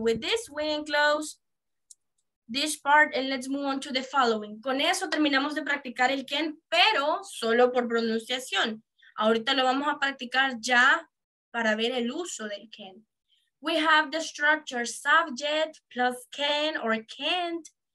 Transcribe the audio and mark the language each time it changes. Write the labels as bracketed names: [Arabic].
[English] With this, we enclose this part and let's move on to the following. [Spanish] Con eso terminamos de practicar el can, pero solo por pronunciación. Ahorita lo vamos a practicar ya para ver el uso del can. [English] We have the structure subject plus can or can't.